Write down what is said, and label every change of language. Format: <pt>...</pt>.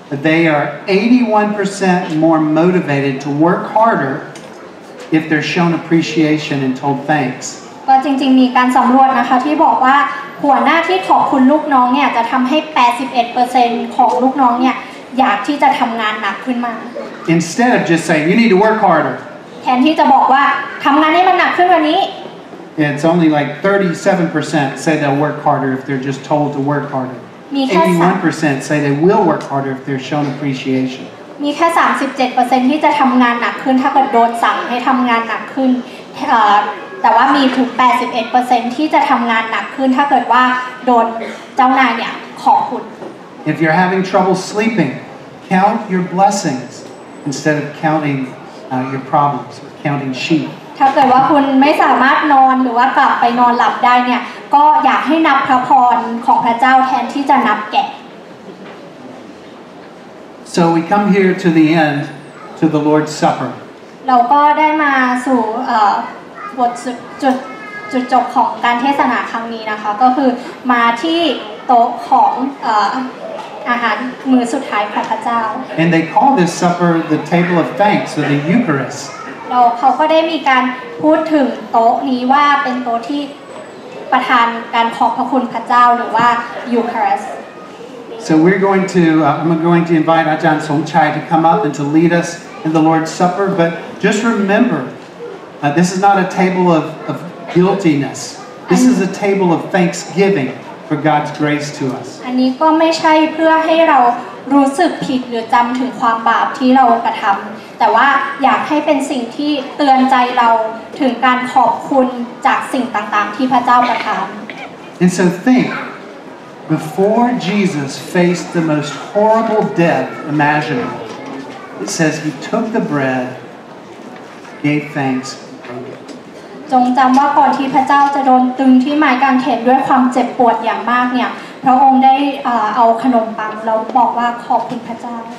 <en>They are 81% more motivated to work harder if they're shown appreciation and told thanks.</en> <th>ก็จริงๆมีการสำรวจนะคะที่บอกว่าหัวหน้าที่ขอบคุณลูกน้องเนี่ยจะทำให้ 81% ของลูกน้องเนี่ยอยากที่จะทำงานหนักขึ้นมา</th> <en>Instead of just saying you need to work harder.</en> <th>แทนที่จะบอกว่าทำงานให้มันหนักขึ้นวันนี้</th> <en>It's only like 37% say they'll work harder if they're just told to work harder. 81% say they will work harder if they're shown appreciation.</en> <th>มีแค่ 37% ที่จะทำงานหนักขึ้นถ้าเกิดโดนสั่งให้ทำงานหนักขึ้นแต่ว่ามีถึง 81% ที่จะทำงานหนักขึ้นถ้าเกิดว่าโดนเจ้านายเนี่ยขอบคุณ</th> <en>If you're having trouble sleeping, count your blessings instead of counting your problems or counting sheep.</en> <th>ถ้าเกิดว่าคุณไม่สามารถนอนหรือว่ากลับไปนอนหลับได้เนี่ยก็อยากให้นับพระพรของพระเจ้าแทนที่จะนับแกะ</th> <en>So we come here to the end to the Lord's Supper</en> <th>เราก็ได้มาสู่บทจุดจบของการเทศนาครั้งนี้นะคะก็คือมาที่ โต๊ะของอาหารมื้อสุดท้ายของพระเจ้า</th> <en>And they call this supper the table of thanks or the Eucharist</en> <th>เราเขาก็ได้มีการพูดถึงโต๊ะนี้ว่าเป็นโต๊ะที่ประทานการขอบพระคุณพระเจ้าหรือว่า Eucharist</th> <en>So we're going to I'm going to invite อาจารย์สงชัย to come up and to lead us in the Lord's Supper but just rememberthis is not a table of guiltiness. This is a table of thanksgiving for God's grace to us.</en> <th>อันนี้ก็ไม่ใช่เพื่อให้เรารู้สึกผิดหรือจำถึงความบาปที่เรากระทำแต่ว่าอยากให้เป็นสิ่งที่เตือนใจเราถึงการขอบคุณจากสิ่งต่างๆที่พระเจ้ากระทำ</th> <en>And so think, before Jesus faced the most horrible death imaginable, it says he took the bread, gave thanks.</en> <th>จงจำว่าก่อนที่พระเจ้าจะโดนตึงที่ไม้กางเขนด้วยความเจ็บปวดอย่างมากเนี่ยพระองค์ได้เอาขนมปังแล้วบอกว่าขอบคุณพระเจ้า</th>